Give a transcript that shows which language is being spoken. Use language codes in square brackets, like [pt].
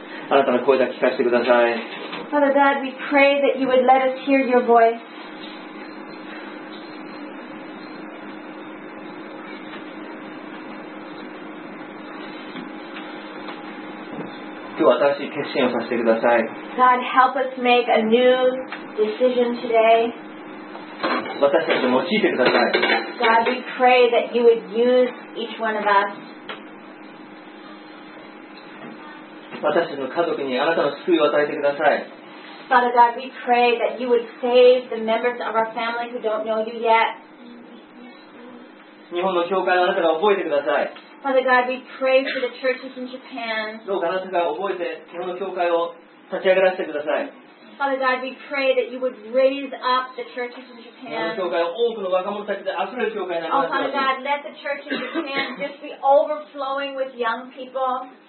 [ja] あなたの声だけ聞かせてください。 [en] Father God, we pray that you would let us hear your voice. [ja] 新しい決心をさせてください。 [en] God, help us make a new decision today. [ja] 私たちを用いてください。 [en] God, we pray that you would use each one of us. [ja] 私たちの家族にあなたの救いを与えてください。 [en] Father God, we pray that you would save the members of our family who don't know you yet. [ja] 日本の教会をあなたが覚えてください。 [en] Father God, we pray for the churches in Japan. [ja] どうかあなたが覚えて日本の教会を立ち上がらせてください。 [en] Father God, we pray that you would raise up the churches in Japan. [ja] 日本の教会を多くの若者たちで溢れる教会になります。 [en] Oh, Father God, let the church in Japan just be overflowing with young people.